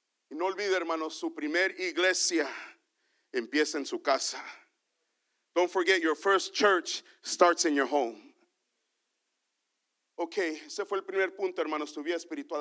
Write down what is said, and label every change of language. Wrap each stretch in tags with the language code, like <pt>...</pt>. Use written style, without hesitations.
<es>Y no olvide, hermano, su primer iglesia empieza en su casa.</es> <en>Don't forget, your first church starts in your home.</en> <es>Okay, ese fue el primer punto, hermanos, tu vida espiritual.</es>